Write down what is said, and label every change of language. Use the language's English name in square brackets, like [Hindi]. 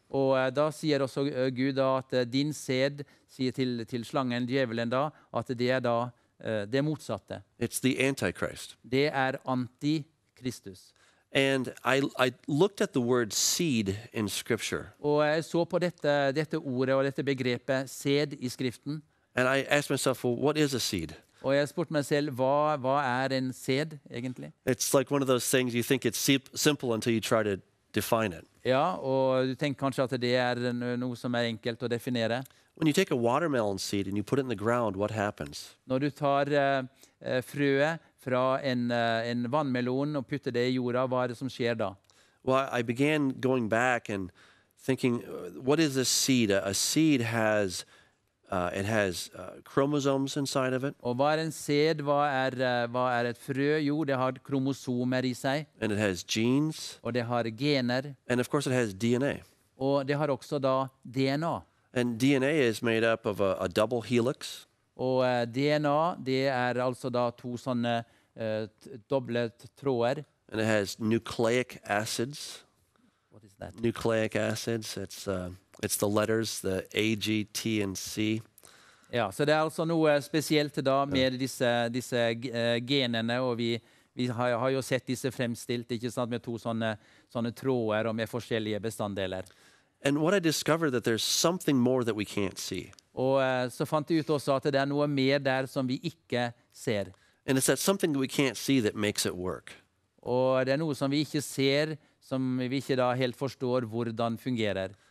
[Norwegian] Og da sier også Gud da at din sæd sier til slangen, djevelen da, at det er da det motsatte. [English] It's the antichrist. [Norwegian] Det er antikristus. [English] And I looked at the word seed in scripture. [Norwegian] Og jeg så på dette ordet og dette begrepet sæd i skriften. [English] And I asked myself, well, what is a seed? [Norwegian] Og jeg spurte meg selv, hva er en sæd egentlig? [English] It's like one of those things you think it's simple until you try to define it. [Norwegian] Ja, og du tenker kanskje at det er noe som er enkelt å definere. [English] When you take a watermelon seed and you put it in the ground, what happens? [Norwegian] Når du tar frøet fra en vannmelon og putter det i jorda, hva er det som skjer da? [English] Well, I began going back and thinking, what is a seed? A seed has chromosomes inside of it. [Norwegian] Og hva er en sæd? Hva er et frø? Jo, det har kromosomer i seg. [English] And it has genes. [Norwegian] Og det har gener. [English] And of course it has DNA. [Norwegian] Og det har også da DNA. [English] And DNA is made up of a double helix. [Norwegian] Og DNA, det er altså da to sånne doble tråder. [English] And it has nucleic acids. What is that? Nucleic acids, it's the letters, the A, G, T, and C. [Norwegian] Ja, så det er altså noe spesielt da med disse genene, og vi, Vi har jo sett disse fremstilt, ikke sant, med to sånne tråder og med forskjellige bestanddeler. [English] And what I discovered that there's something more that we can't see. [Norwegian] Og så fant jeg ut også at det noe mer der som vi ikke ser. [English] And it's that something that we can't see that makes it work. [Norwegian] Og det noe som vi ikke ser, som vi ikke da helt forstår hvordan fungerer.